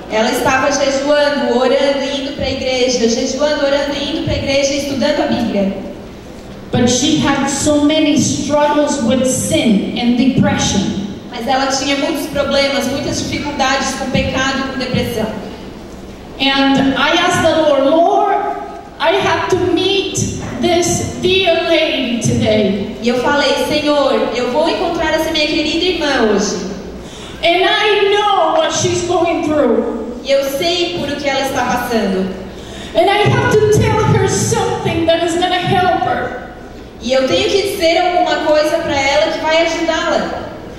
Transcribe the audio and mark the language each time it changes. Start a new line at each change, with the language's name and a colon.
Portuguese: Ela estava jejuando, orando, indo para a igreja, jejuando, orando, indo para a igreja, estudando a Bíblia.
English: But she had so many struggles with sin and depression.
Portuguese: Mas ela tinha muitos problemas, muitas dificuldades com pecado, com depressão.
English: And I asked the Lord, Lord, I have to meet this dear lady today.
Portuguese: E eu falei, Senhor, eu vou encontrar essa minha querida irmã hoje.
English: And I know what she's going through.
Portuguese: E eu sei por o que ela está passando.
English: And I have to tell her something that is going to help her.
Portuguese: E eu tenho que dizer alguma coisa para ela que vai ajudá-la.